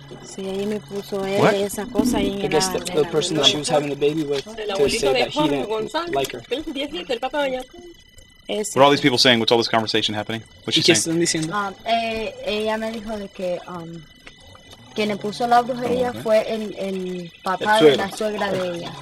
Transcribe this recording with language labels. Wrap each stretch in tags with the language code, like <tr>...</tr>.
<es>Sí, ahí me puso él esa cosa ahí en</es> <en>I guess the person that she was having the baby with to say that he didn't like her. What are all these people saying? What's all this conversation happening? What's she saying?</en> <es>Ella me dijo de que quien le puso la brujería fue el papá de la suegra de ella.</es>